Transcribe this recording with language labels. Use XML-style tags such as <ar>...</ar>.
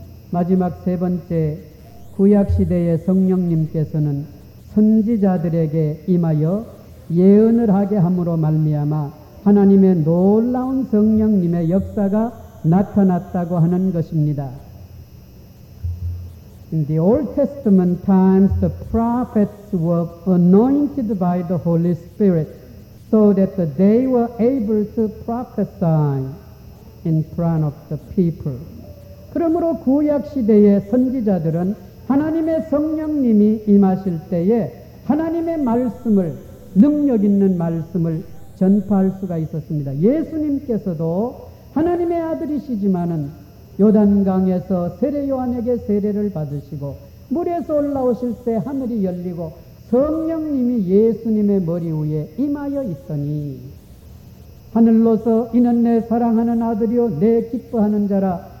<ko>마지막 세 번째, 구약시대의 성령님께서는 선지자들에게 임하여 예언을 하게 함으로 말미암아 하나님의 놀라운 성령님의 역사가 나타났다고 하는 것입니다.</ko> <en>In the Old Testament times, the prophets were anointed by the Holy Spirit so that they were able to prophesy in front of the people.</en> <ko>그러므로 구약 시대의 선지자들은 하나님의 성령님이 임하실 때에 하나님의 말씀을, 능력 있는 말씀을 전파할 수가 있었습니다. 예수님께서도 하나님의 아들이시지만은 요단강에서 세례 요한에게 세례를 받으시고 물에서 올라오실 때 하늘이 열리고 성령님이 예수님의 머리 위에 임하여 있더니 하늘로서 이는 내 사랑하는 아들이요 내 기뻐하는 자라.</ko>